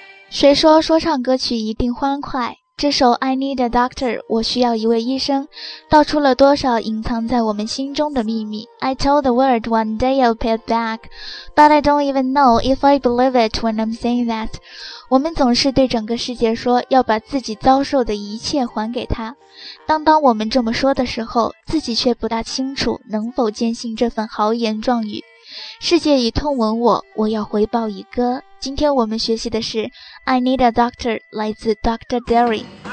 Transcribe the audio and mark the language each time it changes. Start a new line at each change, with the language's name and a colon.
Chinese: 谁说说唱歌曲一定欢快？这首 I need a doctor, 我需要一位医生，道出了多少隐藏在我们心中的秘密。
English: I told the world one day I'll pay it back, but I don't even know if I believe it when I'm saying that.
Chinese: 我们总是对整个世界说要把自己遭受的一切还给他，当我们这么说的时候，自己却不大清楚能否坚信这份豪言壮语。世界已痛吻我，我要回报以歌。今天我们学习的是 I need a doctor, 来自 Dr. Derry.